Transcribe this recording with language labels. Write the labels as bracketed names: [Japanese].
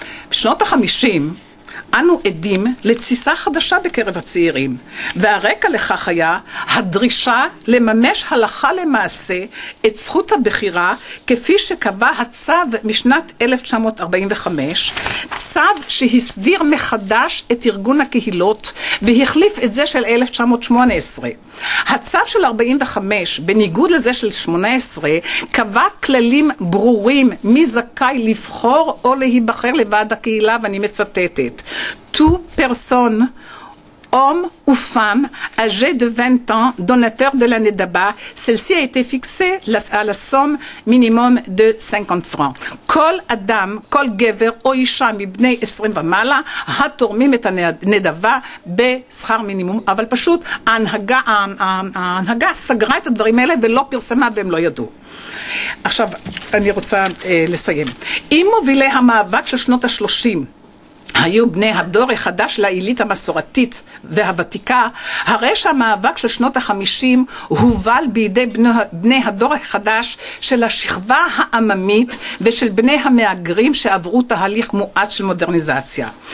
[Hebrew] בשנות ה-50 אנו עדים לתסיסה חדשה בקרב הצעירים, והרקע לכך היה הדרישה לממש הלכה למעשה את זכות הבחירה כפי שקבע הצו משנת 1945, צו שהסדיר מחדש את ארגון הקהילות והחליף את זה של 1918. הצו של 45, בניגוד לזה של 18, קבע כללים ברורים מי זכאי לבחור או להיבחר לוועד הקהילה, ואני מצטטת. [French] Tout personne, homme ou femme, âgée de 20 ans, donateur de l'année d'abord, celle-ci a été fixée à la somme minimum de 50 francs. [Hebrew] Kol adam, kol gever [French] ou [Hebrew] isha mibnei 20 ומעלה, התורמים את הנדבה בשכר מינימום. אבל פשוט ההנהגה סגרה את הדברים האלה ולא פרסמה והם לא ידעו. עכשיו אני רוצה לסיים. עם מובילי המאבק של שנות ה-30, היו בני הדור החדש לעילית המסורתית והוותיקה, הרי שהמאבק של שנות ה-50 הובל בידי בני הדור החדש של השכבה העממית ושל בני המאגרים שעברו תהליך מועט של מודרניזציה.